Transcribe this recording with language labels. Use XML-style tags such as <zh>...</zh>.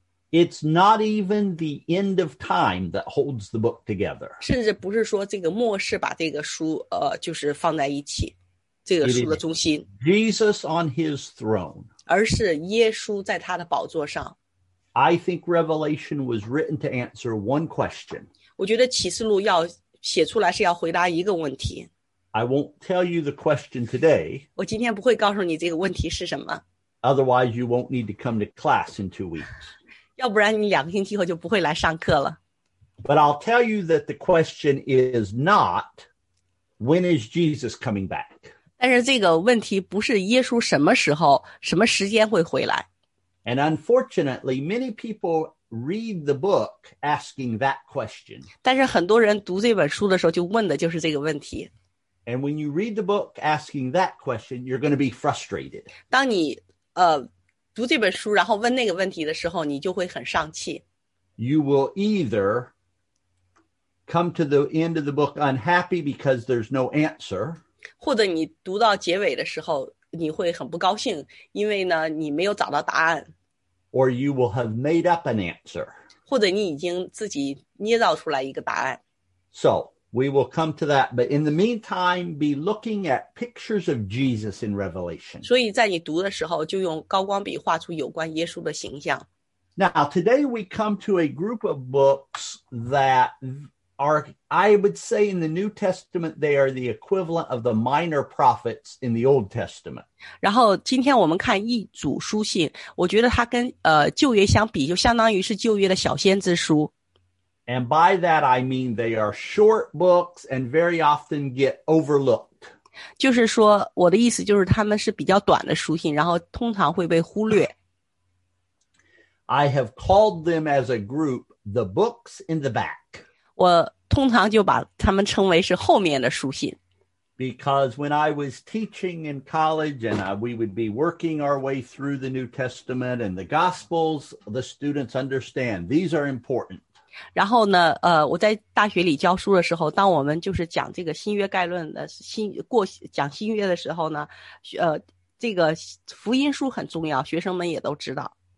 <en>It's not even the end of time that holds the book together.</en> <zh>甚至不是说这个末世把这个书就是放在一起，这个书的中心。</zh> <en>Jesus on his throne.</en> <zh>而是耶稣在他的宝座上。</zh> <en>I think Revelation was written to answer one question.</en> <zh>我觉得启示录要写出来是要回答一个问题。</zh> <en>I won't tell you the question today.</en> <zh>我今天不会告诉你这个问题是什么。</zh> <en>Otherwise, you won't need to come to class in 2 weeks.</en> <zh>要不然你两个星期后就不会来上课了。</zh> <en>But I'll tell you that the question is not, when is Jesus coming back?</en> <zh>但是这个问题不是耶稣什么时候、什么时间会回来。</zh> <en>And unfortunately, many people read the book asking that question.</en> <zh>但是很多人读这本书的时候就问的就是这个问题。</zh> <en>And when you read the book asking that question, you're going to be frustrated.</en> <zh>当你读这本书然后问那个问题的时候你就会很上气。</zh> <en>You will either come to the end of the book unhappy because there's no answer.</en> <zh>或者你读到结尾的时候你会很不高兴因为呢你没有找到答案。</zh> <en>Or you will have made up an answer.</en> <zh>或者你已经自己捏造出来一个答案。</zh> <en>So, we will come to that. But in the meantime, be looking at pictures of Jesus in Revelation.</en> <zh>所以在你读的时候就用高光笔画出有关耶稣的形象。</zh> <en>Now, today we come to a group of books that I would say in the New Testament, they are the equivalent of the minor prophets in the Old Testament.</en> <zh>然后今天我们看一组书信，我觉得它跟旧约相比，就相当于是旧约的小先知书。</zh> <en>And by that I mean they are short books and very often get overlooked.</en> <zh>就是说，我的意思就是他们是比较短的书信，然后通常会被忽略。</zh> <en>I have called them as a group the books in the back.</en> <zh>我通常就把他们称为是后面的书信。</zh> <en>Because when I was teaching in college and we would be working our way through the New Testament and the Gospels, the students understand these are important.</en> <zh>然后呢我在大学里教书的时候当我们就是讲这个新约概论的讲新约的时候呢这个福音书很重要学生们也都知道。</zh>